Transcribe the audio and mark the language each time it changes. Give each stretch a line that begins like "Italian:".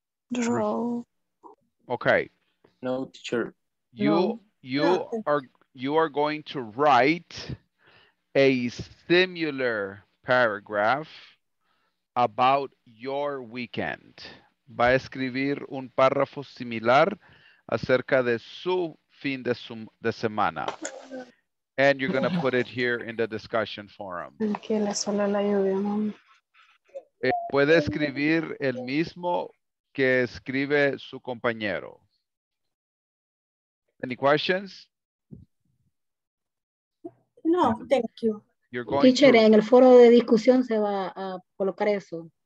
English: Draw. Okay. No, teacher. You are going to write a similar paragraph about your weekend.
Spanish: Va a escribir un párrafo similar acerca de su fin de semana.
English: And you're gonna put it here in the discussion forum.
Spanish: Que la sola la lluvia, mamá. Puede escribir el mismo que escribe su compañero.
English: Any questions? No, thank you. You're going teacher, to...
Spanish: en el foro de discusión se va a colocar eso.